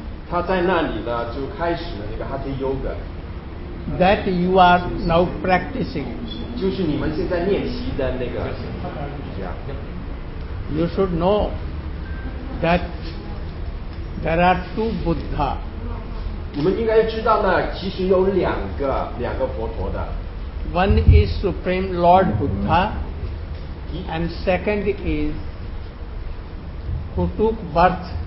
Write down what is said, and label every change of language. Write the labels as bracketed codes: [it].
[zh] 他在那里呢就开始了那个Hatha Yoga. [en] That you are now practicing. [zh] 就是你们现在练习的那个. [en] You should know that there are two Buddha. [zh] 你们应该知道呢，其实有两个佛陀的. [en] One is Supreme Lord Buddha, and second is who took birth